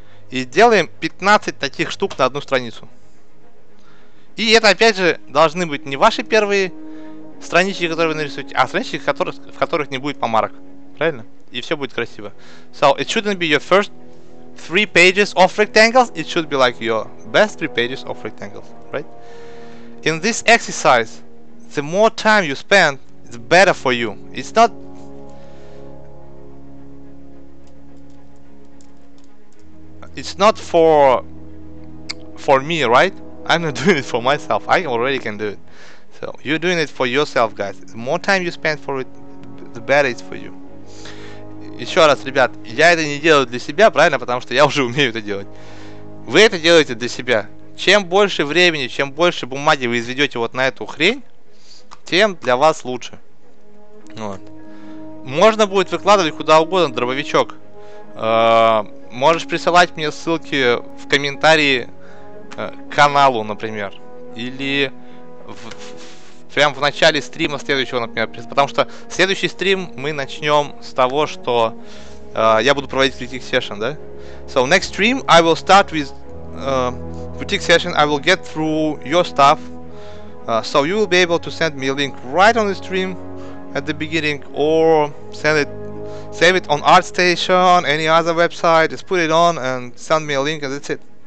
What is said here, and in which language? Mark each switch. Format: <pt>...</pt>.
<ru>И делаем 15 таких штук на одну страницу. И это, опять же, должны быть не ваши первые странички, которые вы нарисуете, а странички, в которых не будет помарок. Правильно? И все будет красиво.</ru> <en>So, it shouldn't be your first three pages of rectangles. It should be like your best three pages of rectangles. Right? In this exercise, the more time you spend, the better for you. It's not... It's not for me, right? I'm not doing it for myself. I already can do it. So, you're doing it for yourself, guys. The more time you spend for it, the better it's for you.</en> <ru>Еще раз, ребят, я это не делаю для себя, правильно? Потому что я уже умею это делать. Вы это делаете для себя. Чем больше времени, чем больше бумаги вы изведете вот на эту хрень, тем для вас лучше. Вот. Можно будет выкладывать куда угодно, дробовичок. Можешь присылать мне ссылки в комментарии к каналу, например. Или... прям в начале стрима следующего, например, потому что следующий стрим мы начнем с того, что я буду проводить critique session, да?</ru> <en>So, next stream I will start with critique session, I will get through your stuff. So, you will be able to send me a link right on the stream at the beginning, or save it on ArtStation, any other website, just put it on and send me a link and that's it.</en>